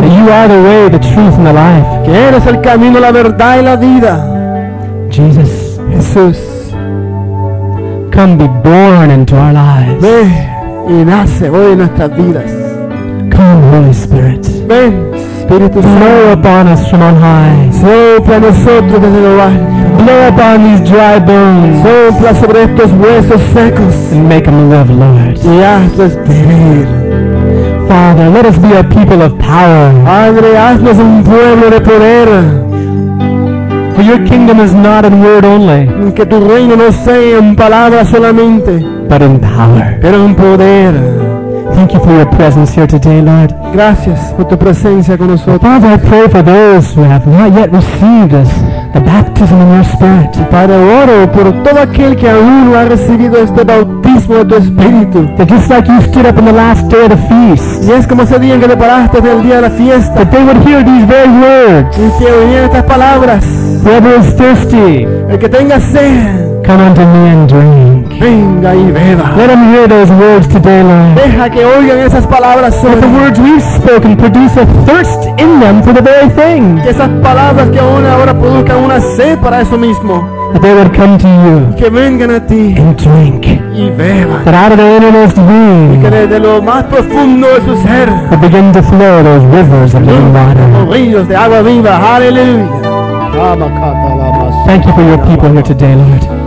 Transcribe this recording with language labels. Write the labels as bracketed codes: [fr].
[en] that you are the way, the truth, and the life. [es] Que eres el camino, la verdad y la vida. [en] Jesus. [es] Jesús. [en] Come be born into our lives. [es] Ve y nace hoy en nuestras vidas. [en] Come, Holy Spirit. [es] Ven, Espíritu Santo. [en] Blow upon us from on high. [es] Sopla nosotros desde lo alto. [en] Blow upon these dry bones. [es] Sopla sobre estos huesos secos. [en] And make them live, Lord. [es] Y hazlos vivir. [en] Father, let us be a people of power. [es] Padre, haznos un pueblo de poder. [en] For your kingdom is not in word only. [es] Que tu reino no sea en palabras solamente. [en] But in power. [es] Pero en poder. [en] Thank you for your presence here today, Lord. [es] Gracias por tu presencia con nosotros. [en] Father, I pray for those who have not yet received us the baptism in your spirit. [es] Padre, oro por todo aquel que aún no ha recibido este bautismo de tu espíritu. [en] That just like you stood up on the last day of the feast. [es] Y es como ese día en que te paraste del día de la fiesta. [en] That they would hear these very words. [es] Y que oyeran estas palabras. [en] Whoever is thirsty. [es] El que tenga sed. [en] Come unto me and drink. [es] Venga y beba. [en] Let them hear those words today, Lord. [es] Deja que oigan esas palabras sobre. [en] That the words we've spoken produce a thirst in them for the very thing. [es] Que esas palabras que aún ahora produzcan una sed para eso mismo. [en] That they would come to you. [es] Que vengan a ti. [en] And drink. [es] Y beba. [en] That out of their innermost being. [es] Y que desde lo más profundo de su ser. [en] That begin to flow those rivers of living water. [es] Los ríos de agua viva. Hallelujah. Amakata la masa. [en] Thank you for your people here today, Lord.